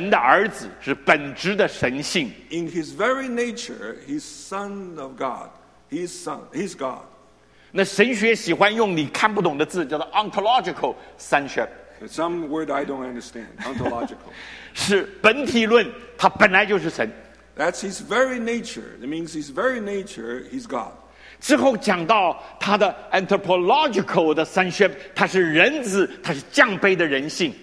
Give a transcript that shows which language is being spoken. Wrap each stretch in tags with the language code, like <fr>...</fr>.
<zh>按照他的本质,他是神的儿子,是本质的神性。</zh> <en>In his very nature, he's son of God. He's son, he's God.</en> <zh>那神学喜欢用你看不懂的字,叫做 ontological sonship.</zh> <en>Some word I don't understand, ontological.</en> <zh>是本体论,他本来就是神。</zh> <en>That's his very nature. It means his very nature, he's God.</en> <zh>之后讲到他的 anthropological 的 sonship, 他是人子,他是降卑的人性。</zh>